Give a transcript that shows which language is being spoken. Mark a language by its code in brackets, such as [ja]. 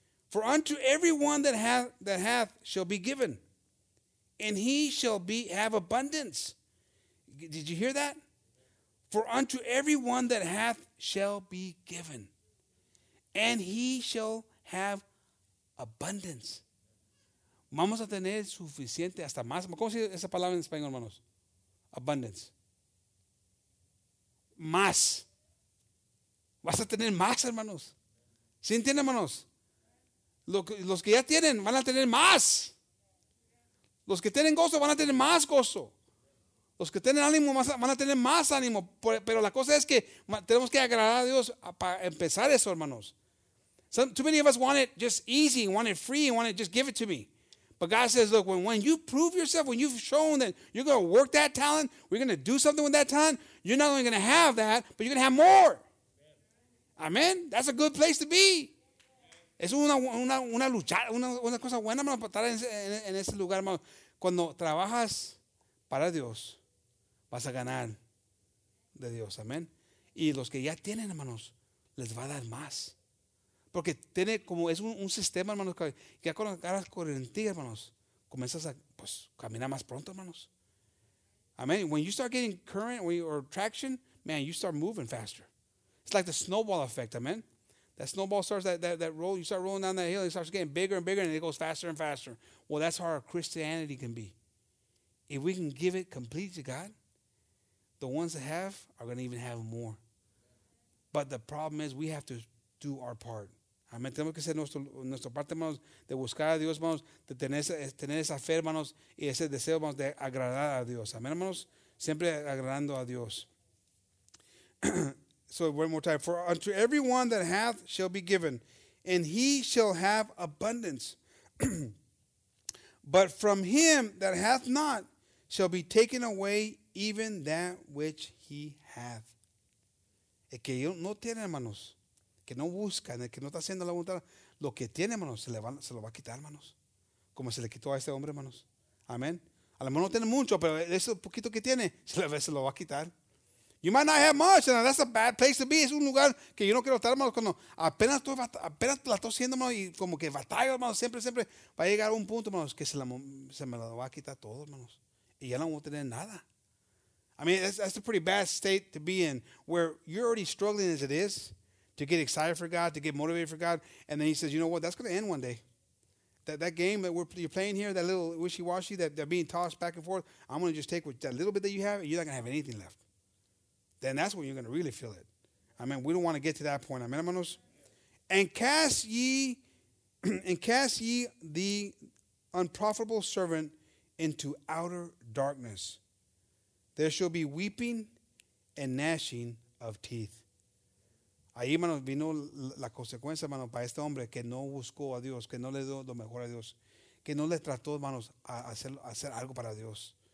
[en] For unto every one that hath shall be given, and he shall have abundance. Did you hear that? For unto every one that hath shall be given, and he shall have abundance. [es] Vamos a tener suficiente, hasta más. ¿Cómo se dice esa palabra en español, hermanos? [en] Abundance. [es] Más. Vas a tener más, hermanos. ¿Sí entienden, hermanos? Los que ya tienen van a tener más. Los que tienen gozo van a tener más gozo. Los que tienen ánimo van a tener más ánimo. Pero la cosa es que tenemos que agradar a Dios para empezar eso, hermanos. [en] Too many of us want it just easy, want it free, want it just give it to me. But God says, look, when you prove yourself, when you've shown that you're going to work that talent, we're going to do something with that talent, you're not only going to have that, but you're going to have more. Amen? That's a good place to be. [es] Es una lucha, una cosa buena, hermano, para estar en ese lugar, hermano. Cuando trabajas para Dios, vas a ganar de Dios. Amen? Y los que ya tienen, hermanos, les va a dar más. Porque tiene como es un sistema, hermanos, que ya con las caras correntes, hermanos, comienzas a pues caminar más pronto, hermanos. [en] Amen. When you start getting current or traction, man, you start moving faster. It's like the snowball effect, amen. That snowball starts that roll, you start rolling down that hill, it starts getting bigger and bigger, and it goes faster and faster. Well, that's how our Christianity can be. If we can give it completely to God, the ones that have are gonna even have more. But the problem is we have to do our part. [es] Amén. Tenemos que hacer nuestra parte, hermanos, de buscar a Dios, hermanos, de tener esa fe, hermanos, y ese deseo, hermanos, de agradar a Dios. Amén, hermanos. Siempre agradando a Dios. [en] So, one more time. For unto every one that hath shall be given, and he shall have abundance. But from him that hath not shall be taken away even that which he hath. [es] El que no tiene, hermanos, que no busca, en el que no está haciendo la voluntad, lo que tiene, hermanos, se lo va a quitar, hermanos. Como se le quitó a este hombre, hermanos. Amén. A lo mejor no tiene mucho, pero ese poquito que tiene, se lo va a quitar. You might not have much, and that's a bad place to be. Es un lugar que yo no quiero estar, hermanos, cuando apenas la estoy haciendo, hermanos, y como que batalla, hermanos, siempre va a llegar a un punto, hermanos, que se me lo va a quitar todo, hermanos. Y ya no voy a tener nada. [en] I mean, that's a pretty bad state to be in, where you're already struggling as it is, to get excited for God, to get motivated for God. And then he says, you know what? That's going to end one day. That game that you're playing here, that little wishy-washy, that they're being tossed back and forth, I'm going to just take that little bit that you have, and you're not going to have anything left. Then that's when you're going to really feel it. I mean, we don't want to get to that point. Amen, hermanos? And cast ye the unprofitable servant into outer darkness. There shall be weeping and gnashing of teeth. [es] Ahí, hermanos, vino la consecuencia, hermanos, para este hombre que no buscó a Dios, que no le dio lo mejor a Dios, que no le trató, hermanos, a hacer algo para Dios.